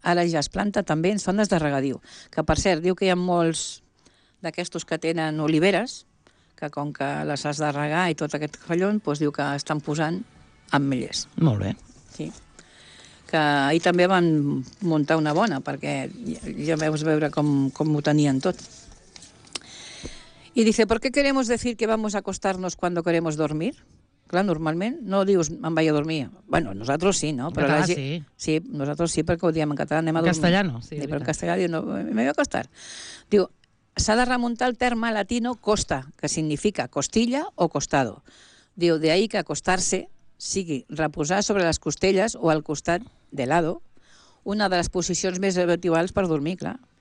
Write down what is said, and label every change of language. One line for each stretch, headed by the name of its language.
Catalan: Ara ja es planta també en zones de regadiu. Que, per cert, diu que hi ha molts d'aquestos que tenen oliveres, que com que les has de regar i tot aquest fallon, doncs diu que estan posant ametllers. Molt bé. Sí. Que ahir també van muntar una bona, perquè ja veus veure com ho tenien tot.
Spanish: I dice, ¿por qué queremos decir que vamos a acostarnos cuando queremos dormir?
Catalan: Clar, normalment no dius, me'n vaig a dormir. Bueno, nosaltres sí, no? Però català, sí. Sí, nosaltres sí, perquè ho diem en català, anem a
Spanish: dormir. En castellano, sí.
Catalan: Però en castellà diu, no,
Spanish: me voy a acostar.
Catalan: Diu, s'ha de remuntar el terme latino costa, que significa costilla o costado. Diu,
Spanish: de ahí que
Catalan: acostar-se sigui reposar sobre les costelles o al costat
Spanish: de lado,
Catalan: una de les posicions més habituals per dormir, clar.